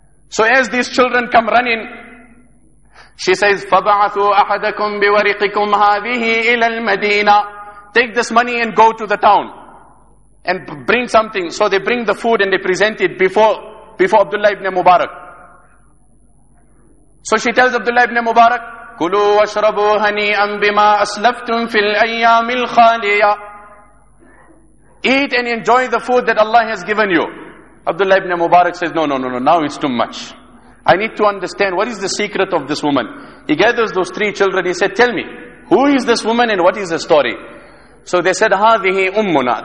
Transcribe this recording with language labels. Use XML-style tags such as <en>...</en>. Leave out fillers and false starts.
<en>So as these children come running, she says,</en> <ar>فَبَعَثُوا أَحَدَكُمْ بِوَرِقِكُمْ هَذِهِ إِلَى الْمَدِينَةِ.</ar> <en>Take this money and go to the town and bring something. So they bring the food and they present it before Abdullah ibn Mubarak. So she tells Abdullah ibn Mubarak,</en> <ar>كُلُوا وَشْرَبُوا هَنِيًا بِمَا أَسْلَفْتُمْ فِي الْأَيَّامِ الْخَالِيَةِ.</ar> <en>Eat and enjoy the food that Allah has given you. Abdullah ibn Mubarak says, no, now it's too much. I need to understand, what is the secret of this woman? He gathers those three children, he said, tell me, who is this woman and what is the story? So they said,</en> <ar>هَذِهِ أُمُّنَا.</ar>